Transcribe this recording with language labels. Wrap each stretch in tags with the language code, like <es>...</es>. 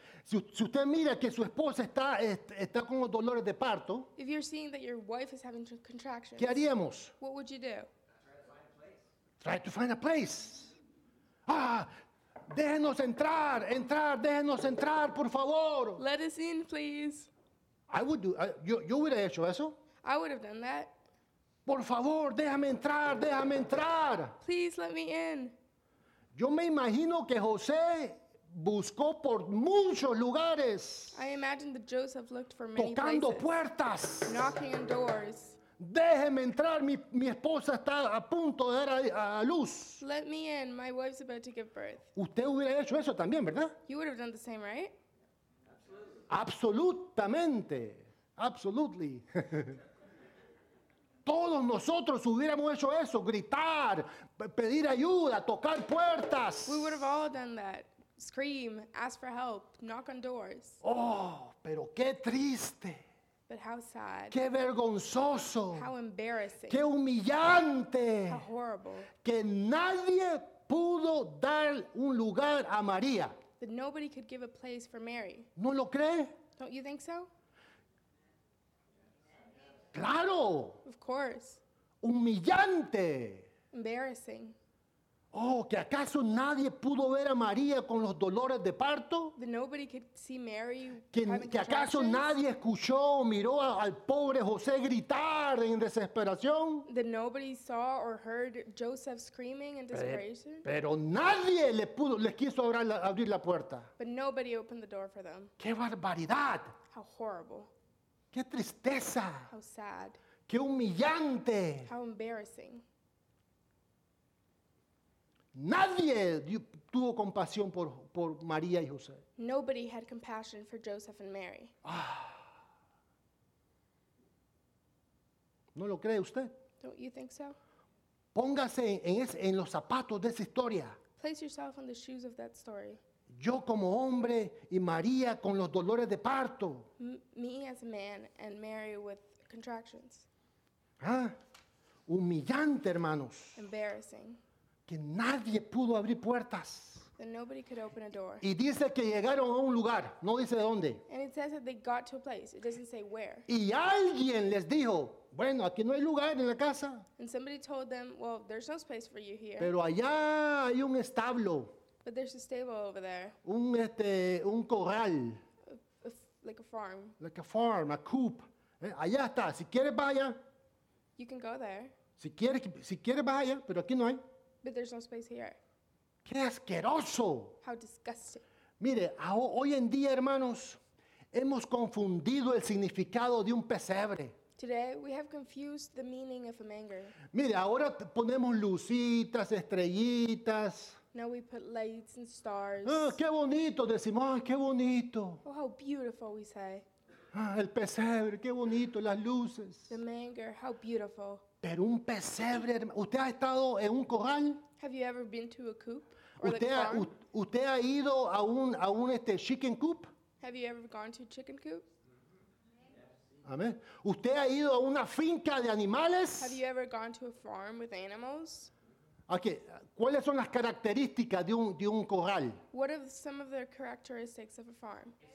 <es>Si usted mira que su esposa está con los dolores de parto,</es> <en>if you're seeing that your wife is having contractions,</en> <es>¿qué haríamos?</es> <en>What would you do? Try to find a place.</en> <es>Ah, déjenos entrar, déjenos entrar, por favor.</es> <en>Let us in, please. I would do,</en> <es>yo hubiera hecho eso.</es> <en>I would have done that.</en> <es>Por favor, déjame entrar.</es> <en>Please let me in.</en> <es>Yo me imagino que José buscó por muchos lugares.</es> <en>I imagine that Joseph looked for many</en> <es>tocando</es> <en>places.</en> <es>Tocando puertas.</es> <en>Knocking on doors.</en> <es>Déjeme entrar, mi esposa está a punto de dar a luz.</es> <en>Let me in, my wife's about to give birth.</en> <es>Usted hubiera hecho eso también, ¿verdad?</es> <en>You would have done the same, right?</en> <es>Absolutamente.</es> <en>Absolutely.</en> <es>Todos nosotros hubiéramos hecho eso, gritar, pedir ayuda, tocar puertas.</es> <en>We would have all done that. Scream, ask for help, knock on doors.</en> <es>Oh, pero qué triste.</es> <en>But how sad.</en> <es>Qué vergonzoso.</es> <en>How embarrassing.</en> <es>Qué humillante.</es> <en>How horrible.</en> <es>Que nadie pudo dar un lugar a María.</es> <en>That nobody could give a place for Mary.</en> <es>¿No lo cree?</es> <en>Don't you think so?</en> <es>Claro.</es> <en>Of course.</en> <es>Humillante.</es> <en>Embarrassing.</en> <es>Oh, ¿que acaso nadie pudo ver a María con los dolores de parto?</es> <en>That nobody could see Mary.</en> <es>¿Que acaso nadie escuchó o miró al pobre José gritar en desesperación?</es> <en>That nobody saw or heard Joseph screaming in desperation.</en> <es>Pero nadie les quiso abrir la puerta.</es> <en>But nobody opened the door for them.</en> <es>¡Qué barbaridad!</es> <en>How horrible.</en> <es>¡Qué tristeza!</es> <en>How sad.</en> <es>¡Qué humillante!</es> <en>How embarrassing.</en> <es>Nadie tuvo compasión por María y José.</es> <en>Nobody had compassion for Joseph and Mary. Ah.</en> <es>¿No lo cree usted?</es> <en>Don't you think so?</en> <es>Póngase en los zapatos de esa historia.</es> <en>Place yourself in the shoes of that story.</en> <es>Yo como hombre y María con los dolores de parto.</es> <en>Me as a man and Mary with contractions.</en> <es>Ah. Humillante, hermanos.</es> <en>Embarrassing.</en> <es>Que nadie pudo abrir puertas.</es> <en>That nobody could open a door.</en> <es>Y dice que llegaron a un lugar, no dice de dónde.</es> <en>And it says that they got to a place. It doesn't say where.</en> <es>Y alguien les dijo, bueno, aquí no hay lugar en la casa.</es> <en>And somebody told them, well, there's no space for you here.</en> <es>Pero allá hay un establo.</es> <en>But there's a stable over there.</en> <es>Un corral.</es> <en>Like a farm. Like a farm, a coop.</en> <es>Allá está, si quieres vaya.</es> <en>You can go there.</en> <es>Si quieres vaya, pero aquí no hay.</es> <en>But there's no space here.</en> <es>¡Qué asqueroso!</es> <en>How disgusting.</en> <es>Mire, hoy en día, hermanos, hemos confundido el significado de un pesebre.</es> <en>Today, we have confused the meaning of a manger.</en> <es>Mire, ahora ponemos lucitas, estrellitas.</es> <en>Now we put lights and stars.</en> <es>¡Ah, qué bonito! Decimos, ¡ah, qué bonito!</es> <en>Oh, how beautiful, we say.</en> <es>¡Ah, el pesebre, qué bonito, las luces!</es> <en>The manger, how beautiful.</en> <es>Pero un pesebre, ¿usted ha estado en un corral?</es> <en>Have you ever been to a coop?</en> <es>¿Usted ha ido a un chicken coop?</es> <en>Have you ever gone to a chicken coop?</en> <es>Amén. ¿Usted ha ido a una finca de animales?</es> <en>Have you ever gone to a farm with animals?</en> <es>Okay. ¿Cuáles son las características de un corral?</es> <en>What are some of the characteristics of a farm?</en>